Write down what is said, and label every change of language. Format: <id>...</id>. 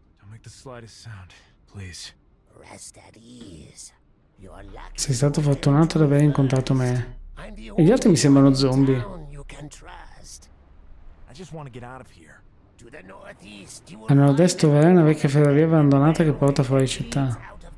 <en>Don't make the slightest sound, please. Rest at ease. You're lucky.</en> <it>Sei stato fortunato ad aver incontrato me. E gli altri mi sembrano zombie.</it> <en>I just want to get out of here. To the northeast.</en> <it>A nord-est troverai una vecchia ferrovia abbandonata che porta fuori città.</it>